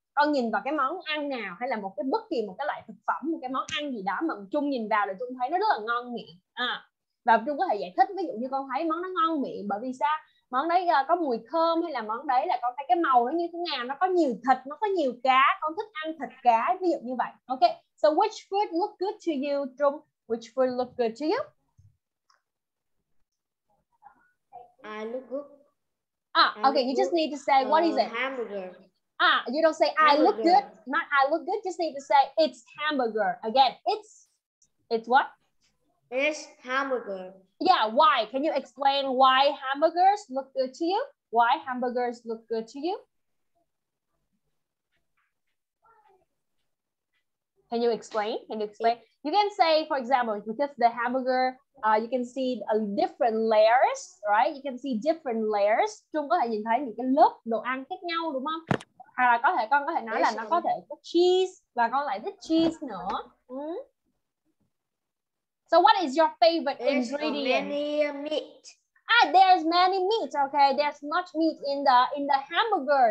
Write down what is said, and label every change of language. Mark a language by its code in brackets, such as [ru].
[vi] Con nhìn vào cái món ăn nào hay là một cái bất kỳ một cái loại thực phẩm, một cái món ăn gì đó mà Trung nhìn vào là Trung thấy nó rất là ngon miệng. Và Trung có thể giải thích, ví dụ như con thấy món nó ngon miệng bởi vì sao? Món đấy có mùi thơm hay là món đấy là con thấy cái màu nó như thế nào, nó có nhiều thịt, nó có nhiều cá, con thích ăn thịt cá, ví dụ như vậy. [en] Ok, so which food look good to you, Trung? Which food look good to you? I look good. You just need to say, what is it? Hamburger. You don't say, hamburger. I look good. Not I look good, just need to say, it's hamburger. Again, it's what? It's hamburger. Yeah, why? Can you explain why hamburgers look good to you? Why hamburgers look good to you? Can you explain? You can say, for example, because the hamburger, you can see a different layers, right? You can see different layers. [vi] Trung có thể nhìn thấy những cái lớp đồ ăn khác nhau, đúng không? Hoặc là có thể con có thể nói là nó có thể có cheese và con lại thích cheese nữa. [en] So what is your favorite ingredient? There's many meat. There's many meat. Okay, there's much meat in the hamburger.